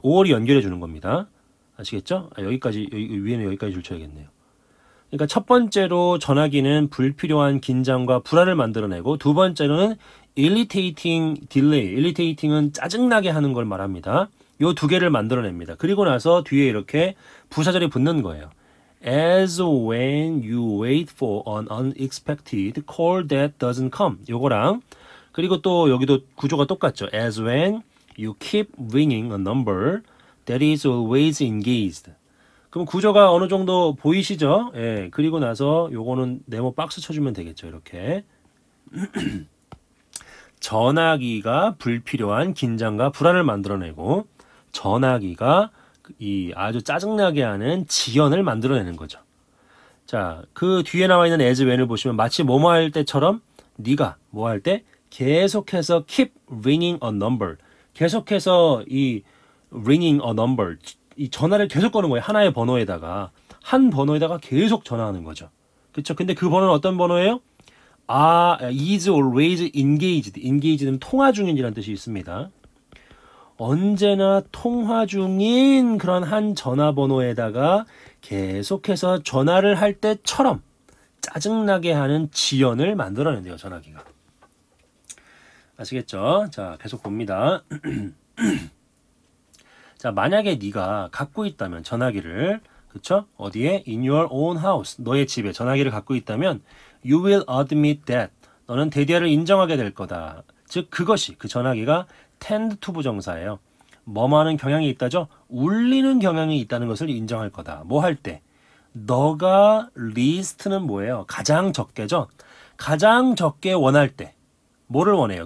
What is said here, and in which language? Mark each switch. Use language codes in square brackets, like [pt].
[ko] 5월이 연결해 주는 겁니다. 아시겠죠? 아, 여기까지 위에는 여기까지 줄쳐야겠네요. 그러니까 첫 번째로 전화기는 불필요한 긴장과 불안을 만들어내고 두 번째로는 [en] irritating delay. irritating [ko] 은 짜증나게 하는 걸 말합니다. 요두 개를 만들어냅니다. 그리고 나서 뒤에 이렇게 부사절이 붙는 거예요. [en] As when you wait for an unexpected call that doesn't come. [ko] 요거랑 그리고 또 여기도 구조가 똑같죠. [en] As when you keep ringing a number that is always engaged. [ko] 그럼 구조가 어느 정도 보이시죠? 예. 그리고 나서 요거는 네모 박스 쳐주면 되겠죠. 이렇게. 전화기가 불필요한 긴장과 불안을 만들어내고, 전화기가 이 아주 짜증나게 하는 지연을 만들어내는 거죠. 자, 그 뒤에 나와 있는 [en] as when [ko] 을 보시면 마치 뭐뭐 할 때처럼 네가 뭐할때 계속해서 [en] keep ringing a number. [ko] 계속해서 이 [en] ringing a number. [ko] 이 전화를 계속 거는 거예요. 하나의 번호에다가. 한 번호에다가 계속 전화하는 거죠. 그쵸? 근데 그 번호는 어떤 번호예요? [en] is always engaged. [ko] engaged는 통화 중인이라는 뜻이 있습니다. 언제나 통화 중인 그런 한 전화번호에다가 계속해서 전화를 할 때처럼 짜증나게 하는 지연을 만들어낸대요, 전화기가. 아시겠죠? 자, 계속 봅니다. 자, 만약에 네가 갖고 있다면 전화기를, 그쵸? 어디에? [en] In your own house, [ko] 너의 집에 전화기를 갖고 있다면 [en] You will admit that. [ko] 너는 대디아를 인정하게 될 거다. 즉, 그것이, 그 전화기가 [en] tend to [ko] 부정사예요. 뭐뭐하는 경향이 있다죠? 울리는 경향이 있다는 것을 인정할 거다. 뭐할 때? 너가 [en] least [ko] 는 뭐예요? 가장 적게죠? 가장 적게 원할 때. 뭐를 원해요?